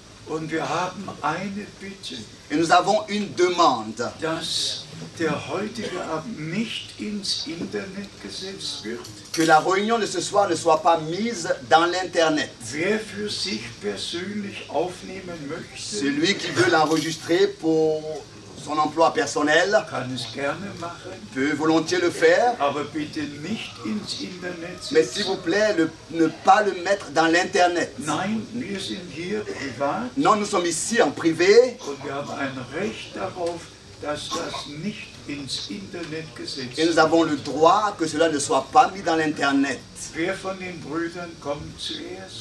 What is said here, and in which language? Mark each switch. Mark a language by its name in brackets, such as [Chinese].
[French] Et nous avons une demande. [German] Der heutige Abend nicht ins Internet gesetzt wird. [French] Que la réunion de ce soir ne soit pas mise dans l'Internet. [German] Wer für sich persönlich aufnehmen möchte, [French] celui qui veut l'enregistrer pour son emploi personnel [German] kann es gerne machen, [French] peut volontiers le faire. [German] Aber bitte nicht ins Internet setzen. [French] Mais s'il vous plaît, ne pas le mettre dans l'Internet. [German] Nein, wir sind hier privat. [French] Non, nous sommes ici en privé. [German] Und wir haben ein Recht darauf, dass das nicht ins Internet gesetzt [French] wird. Et nous avons le droit que cela ne soit pas mis dans l'Internet. [German] Wer von den Brüdern kommt zuerst?